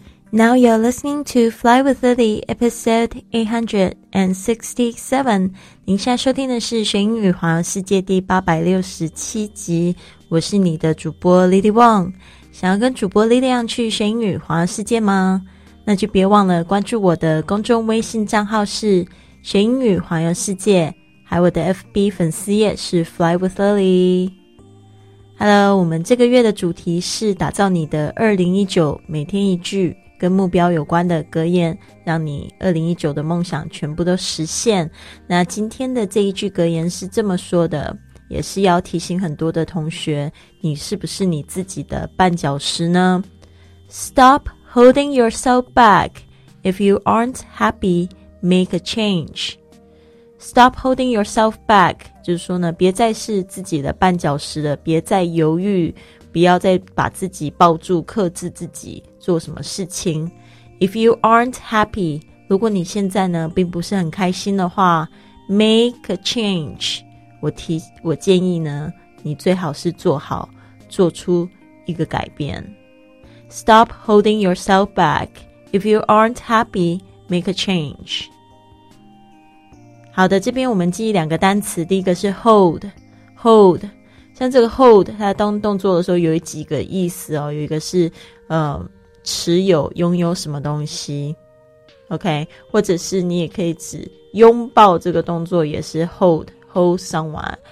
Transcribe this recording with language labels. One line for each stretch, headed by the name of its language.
English: Now you're listening to Fly with Lily, episode 867.
Chinese: 您现在收听的是学英语环游世界第867集。我是你的主播 Lily Wong。想要跟主播 Lily Wong 去学英语环游世界吗？那就别忘了关注我的公众微信账号是学英语环游世界，还有我的 FB 粉丝页是 Fly with Lily。 Hello, 我们这个月的主题是打造你的2019每天一句。跟目标有关的格言，让你2019的梦想全部都实现。那今天的这一句格言是这么说的，也是要提醒很多的同学，你是不是你自己的绊脚石呢？
English: Stop holding yourself back. If you aren't happy, make a change. Stop holding yourself back.
Chinese: 就是说呢，别再是自己的绊脚石了，别再犹豫，不要再把自己抱住，克制自己做什么事情。
English: If you aren't happy,
Chinese: 如果你现在呢并不是很开心的话，
English: make a change.
Chinese: 我建议呢，你最好是做出一个改变。
English: Stop holding yourself back. If you aren't happy, make a change.
Chinese: 好的，这边我们记忆两个单词。第一个是 hold， 像这个 hold， 它当动作的时候有几个意思哦，有一个是持有，拥有什么东西 ，OK， 或者是你也可以指拥抱这个动作也是
English: hold someone。